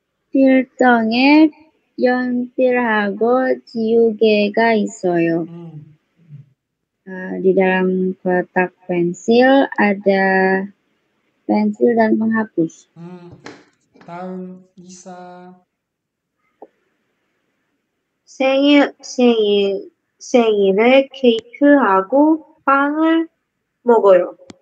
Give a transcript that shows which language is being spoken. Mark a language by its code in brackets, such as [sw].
[ko] 필통에 연필하고 지우개가 있어요. [id] Di dalam kotak pensil ada pensil dan penghapus. [ko] 다음 이사. 생일에 케이크하고 빵을 먹어요.